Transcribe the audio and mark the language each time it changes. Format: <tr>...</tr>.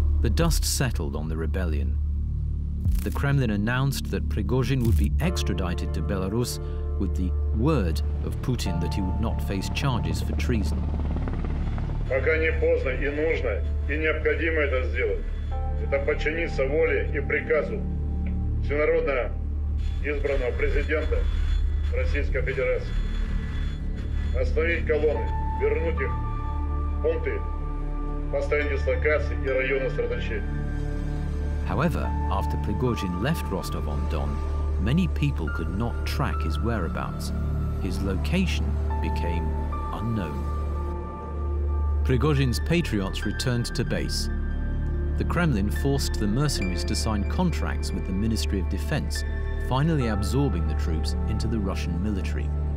<en>Dust settled on the rebellion. The Kremlin announced that Prigozhin would be extradited to Belarus with the word of Putin that he would not face charges for treason.</en> <ru>Пока не поздно и нужно, и необходимо это сделать. Это подчиниться воле и приказу всенародно избранного президента Российской Федерации. Остановить колонны, вернуть их в пункты.</ru> <en>However, after Prigozhin left Rostov-on-Don, many people could not track his whereabouts. His location became unknown. Prigozhin's patriots returned to base. The Kremlin forced the mercenaries to sign contracts with the Ministry of Defense, finally absorbing the troops into the Russian military.</en>